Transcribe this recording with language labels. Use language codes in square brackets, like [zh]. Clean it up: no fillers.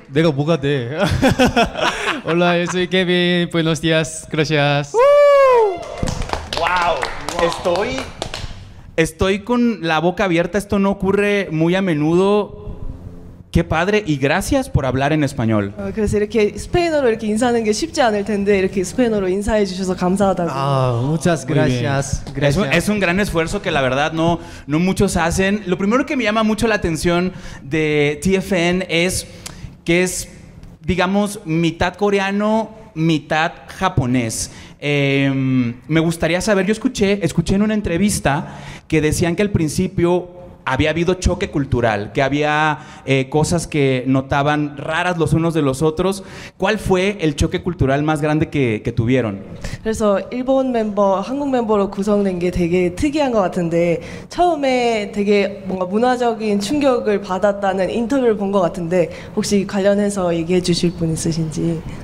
[es] ¿Nega, boca de? Hola, yo soy Kevin. Buenos días. Gracias. ¡Wow! Estoy con la boca abierta. Esto no ocurre muy a menudo. Qué padre y gracias por hablar en español. [ko] 그래서 이렇게 스페인어로 이렇게 인사하는 게 쉽지 않을 텐데 이렇게 스페인어로 인사해 주셔서 감사하다고. [es] Muchas gracias. Es un gran esfuerzo que la verdad no muchos hacen. Lo primero que me llama mucho la atención de TFN es que es, digamos, mitad coreano, mitad japonés. Me gustaría saber, yo escuché en una entrevista que decían que al principio había habido choque cultural, que había cosas que notaban raras los unos de los otros. ¿Cuál fue el choque cultural más grande que tuvieron? [ko] 그래서 일본 멤버, 한국 멤버로 구성된 게 되게 특이한 것 같은데 처음에 되게 뭔가 문화적인 충격을 받았다는 인터뷰를 본 것 같은데 혹시 관련해서 얘기해 주실 분 있으신지.